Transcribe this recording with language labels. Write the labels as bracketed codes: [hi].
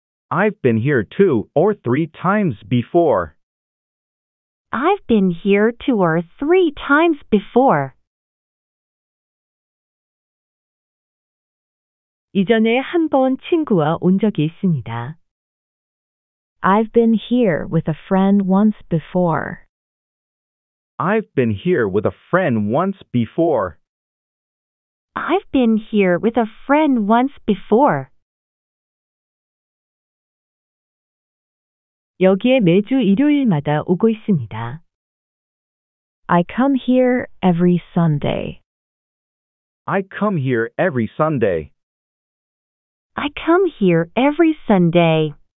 [en] I've been here 2 or 3 times before. I've been here 2 or 3 times before. [ko] 이전에 한 번 친구와 온 적이 있습니다. [en] I've been here with a friend once before. I've been here with a friend once before. I've been here with a friend once before. [ko] 여기에 매주 일요일마다 오고 있습니다. [en] I come here every Sunday. I come here every Sunday. I come here every Sunday.